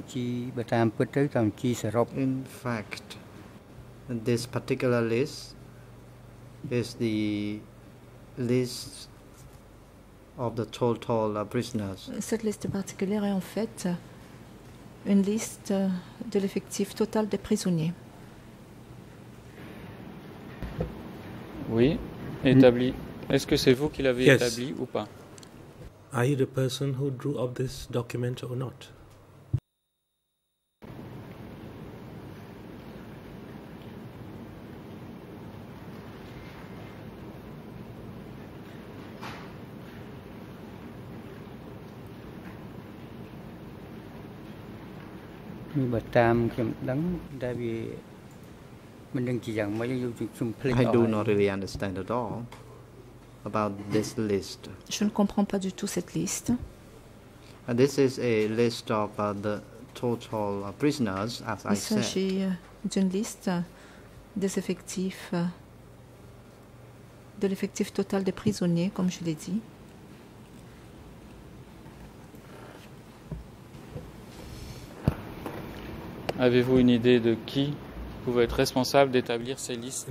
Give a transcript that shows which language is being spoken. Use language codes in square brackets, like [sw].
[en] In fact, this particular list is the list of the total prisoners. [fr] Cette liste particulière est en fait une liste de l'effectif total des prisonniers. Oui, établi. Est-ce que c'est vous qui l'avez [en] yes. [fr] établi ou pas? [en] Are you the person who drew up this document or not? Mi ba tam khiem dang da vi I do not really understand at all about this list. [fr] Je ne comprends pas du tout cette liste. [en] And this is a list of the total prisoners, as [fr] Il [en] I said. [fr] Il s'agit d'une liste des effectifs, de l'effectif total des prisonniers, comme je l'ai dit. Avez-vous une idée de qui pouvait être responsable d'établir ces listes?